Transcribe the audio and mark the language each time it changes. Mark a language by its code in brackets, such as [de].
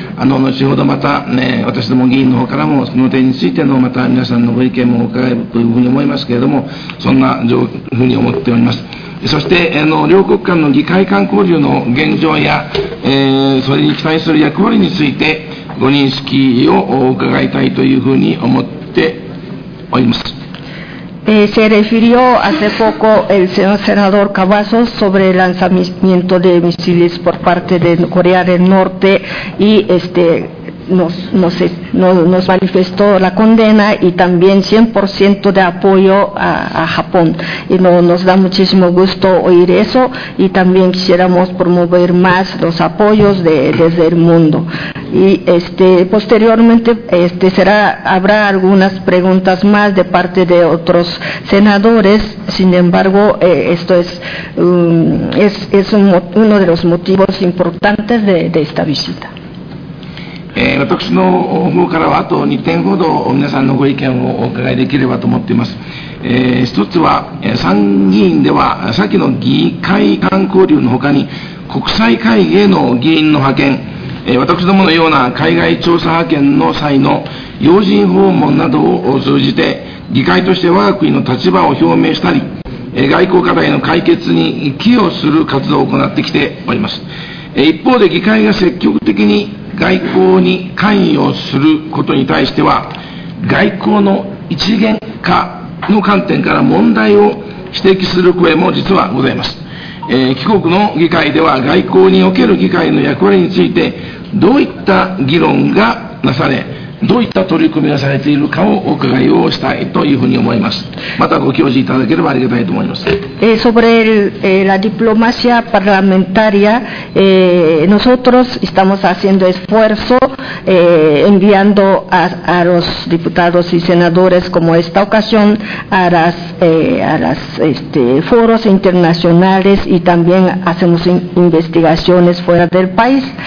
[ja] 後ほどまた、ね、私ども議員の方からもその点についてのまた皆さんのご意見も伺えるというふうに思いますけれども、そんなふうに思っております。そして両国間の議会間交流の現状や、それに期待する役割についてご認識を伺いたいというふうに思っております。 [es] Se refirió hace poco el señor senador Cavazos sobre el lanzamiento de misiles por parte de Corea del Norte y nos manifestó la condena y también 100% de apoyo a Japón. Y nos da muchísimo gusto oír eso y también quisiéramos promover más los apoyos desde el mundo. Y posteriormente habrá algunas preguntas más de parte de otros senadores. Sin embargo, esto es uno de los motivos importantes de esta visita. [ja] 私の方からはあと2点ほど皆さんのご意見をお伺いできればと思っています。一つは参議院では先の議会間交流のほかに国際会議への議員の派遣、私どものような海外調査派遣の際の要人訪問などを通じて議会として我が国の立場を表明したり外交課題の解決に寄与する活動を行ってきております。一方で議会が積極的に外交に関与することに対しては外交の一元化の観点から問題を指摘する声も実はございます。帰国の議会では外交における議会の役割についてどういった議論がなされ、どういった取り組みがされているかをお伺いをしたいというふうに思います。またご教示いただければありがたいと思います。 [es] Sobre la diplomacia parlamentaria, nosotros estamos haciendo esfuerzo enviando a los diputados y senadores como esta ocasión a los foros internacionales y también hacemos investigaciones fuera del país.